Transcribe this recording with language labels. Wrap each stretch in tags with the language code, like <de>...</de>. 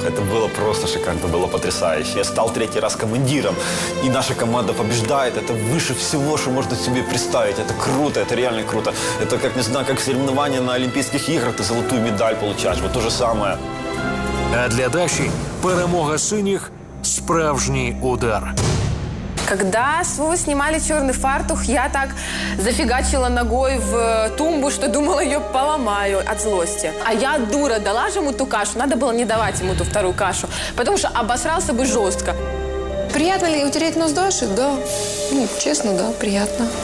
<ru>Это было просто шикарно, это было потрясающе. Я стал третий раз командиром, и наша команда побеждает. Это выше всего, что можно себе представить. Это круто, это реально круто. Это как, не знаю, как соревнование на Олимпийских играх, ты золотую медаль получаешь. Вот то же самое.</ru> <uk>А для Даши перемога синих – справжній удар.</uk> <ru>Когда с Вовой снимали «Черный фартух», я так зафигачила ногой в тумбу, что думала, ее поломаю от злости. А я, дура, дала же ему ту кашу, надо было не давать ему ту вторую кашу, потому что обосрался бы жестко. Приятно ли утереть нос Даши? Да. Ну, честно, да, приятно.</ru>